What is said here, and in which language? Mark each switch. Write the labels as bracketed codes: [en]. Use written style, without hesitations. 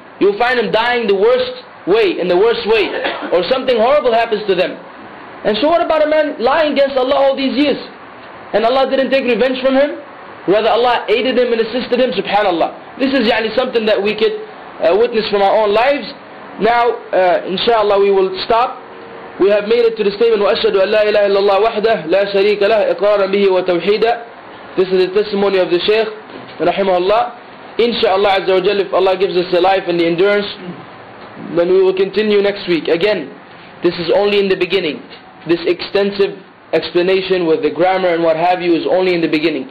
[en] You'll find them dying in the worst way, or something horrible happens to them. And so what about a man lying against Allah all these years? And Allah didn't take revenge from him? Rather, Allah aided him and assisted him, subhanAllah. This is yani something that we could witness from our own lives. Now, inshallah, we will stop. [ar] We have made it to the statement, وَأَشْهَدُ أَنْ لَا إِلَهَ إِلَّا اللَّهُ وَحْدَهُ لَا شَرِيكَ لَهُ إِقْرَارًا بِهِ وَتَوْحِيدًا. [en] This is the testimony of the Shaykh, رَحِمَهُ اللَّهُ. InshaAllah, Azza wa Jalla, if Allah gives us the life and the endurance, then we will continue next week. Again, this is only in the beginning. This extensive explanation with the grammar and what have you is only in the beginning.